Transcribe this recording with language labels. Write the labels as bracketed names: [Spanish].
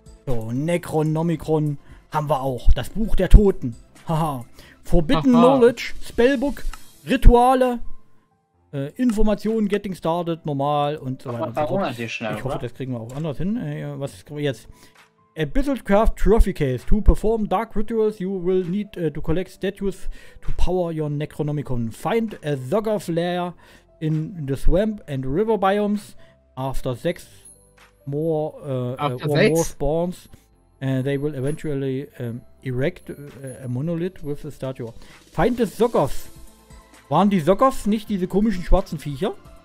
[German] So, Necronomicon haben wir auch. Das Buch der Toten. Haha. Forbidden Knowledge, Spellbook, Rituale. Informationen, getting started, normal und so weiter. Warum und so. Schnell, ich hoffe, oder? Das kriegen wir auch anders hin. Was ist jetzt? Abyssal Craft Trophy Case. [English] To perform dark rituals, you will need to collect statues to power your Necronomicon. Find a Zog'oth Lair in the swamp and river biomes. After 6 more, more spawns, they will eventually erect a monolith with a statue. Find the Zog'oth. [German] Waren die Zog'oth nicht diese komischen schwarzen Viecher?